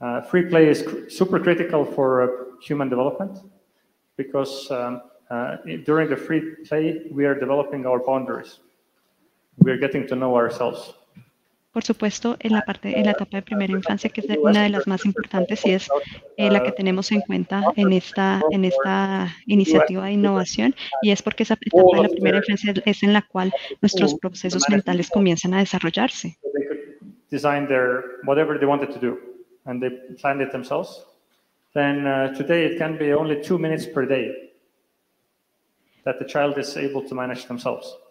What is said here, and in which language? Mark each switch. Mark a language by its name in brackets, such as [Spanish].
[English] Free play is super critical for human development because during the free play we are developing our boundaries. We are getting to know ourselves. [Spanish] Por supuesto, en la parte, en la etapa de primera infancia, que es una de las más importantes y es la que tenemos en cuenta en esta iniciativa de innovación, y es porque esa etapa de la primera infancia es en la cual nuestros procesos mentales comienzan a desarrollarse. [English] Design their whatever they wanted to do, and they planned it themselves. Then today it can be only 2 minutes per day that the child is able to manage themselves.